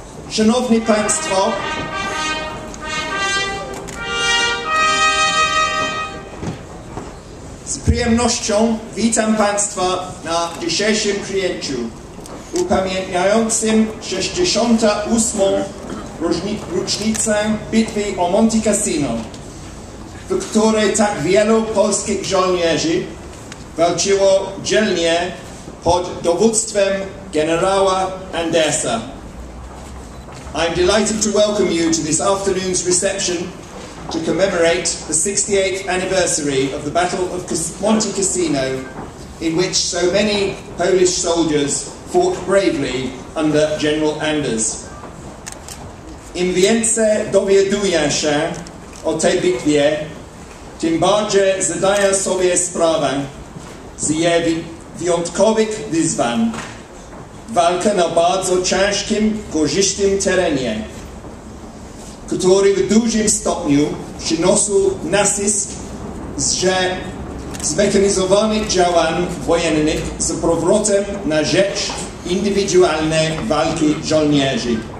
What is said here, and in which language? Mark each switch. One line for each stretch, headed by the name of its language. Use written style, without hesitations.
Polish: Szanowni Państwo, z przyjemnością witam Państwa na dzisiejszym przyjęciu upamiętniającym 68. rocznicę bitwy o Monte Cassino, w której tak wielu polskich żołnierzy walczyło dzielnie pod dowództwem generała Andersa.
English: I'm delighted to welcome you to this afternoon's reception to commemorate the 68th anniversary of the Battle of Monte Cassino, in which so many Polish soldiers fought bravely under General Anders.
Polish: Im więcej dowiaduję się o tej bitwie, tym bardziej zadaję sobie sprawę z jej wyjątkowych wyzwań. Walka na bardzo ciężkim, korzystnym terenie, który w dużym stopniu przynosił nacisk ze zmechanizowanych działań wojennych z powrotem na rzecz indywidualnej walki żołnierzy.